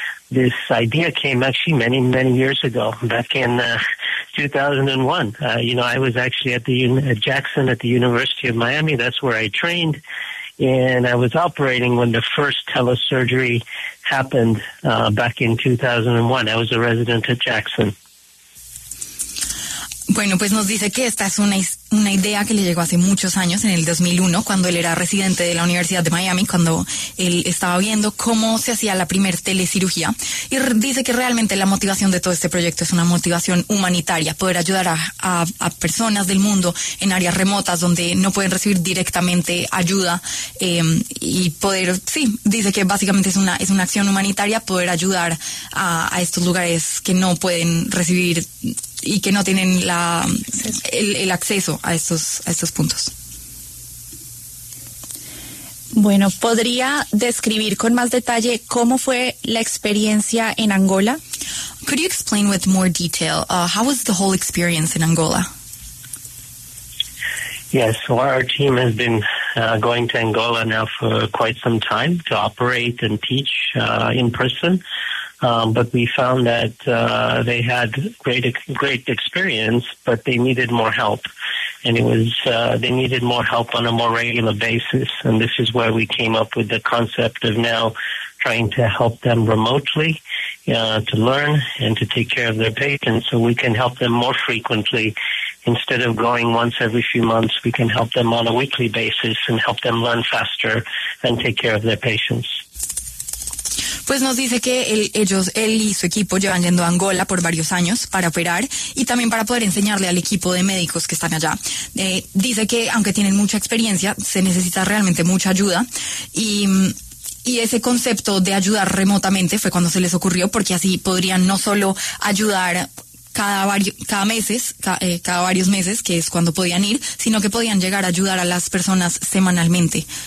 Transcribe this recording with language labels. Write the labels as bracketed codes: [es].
[en] This idea came actually many, many years ago, back in 2001. You know, I was actually at Jackson at the University of Miami. That's where I trained. And I was operating when the first telesurgery happened back in 2001. I was a resident at Jackson. [es] Bueno, pues nos dice que esta es una idea que le llegó hace muchos años, en el 2001, cuando él era residente de la Universidad de Miami, cuando él estaba viendo cómo se hacía la primer telecirugía. Y dice que realmente la motivación de todo este proyecto es una motivación humanitaria, poder ayudar a personas del mundo en áreas remotas donde no pueden recibir directamente ayuda. Y dice que básicamente es una acción humanitaria poder ayudar a estos lugares que no pueden recibir y que no tienen el acceso a estos puntos. Bueno, ¿podría describir con más detalle cómo fue la experiencia en Angola? [en] Could you explain with more detail how was the whole experience in Angola? Yes, so our team has been going to Angola now for quite some time to operate and teach in person. But we found that they had great experience, but they needed more help. And it was they needed more help on a more regular basis. And this is where we came up with the concept of now trying to help them remotely to learn and to take care of their patients so we can help them more frequently. Instead of going once every few months, we can help them on a weekly basis and help them learn faster and take care of their patients. [es] Pues nos dice que él y su equipo llevan yendo a Angola por varios años para operar y también para poder enseñarle al equipo de médicos que están allá. Dice que aunque tienen mucha experiencia, se necesita realmente mucha ayuda y ese concepto de ayudar remotamente fue cuando se les ocurrió, porque así podrían no solo ayudar cada varios meses, que es cuando podían ir, sino que podían llegar a ayudar a las personas semanalmente.